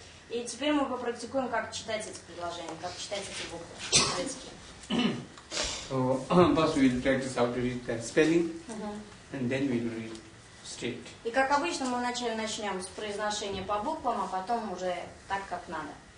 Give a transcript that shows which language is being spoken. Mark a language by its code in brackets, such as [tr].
[ru] И теперь мы попрактикуем, как читать эти предложения, как читать эти буквы тибетские. [en] First we will practice how to read the spelling, and then we will read straight. [ru] И как обычно, мы вначале начнем с произношения по буквам, а потом уже так, как надо.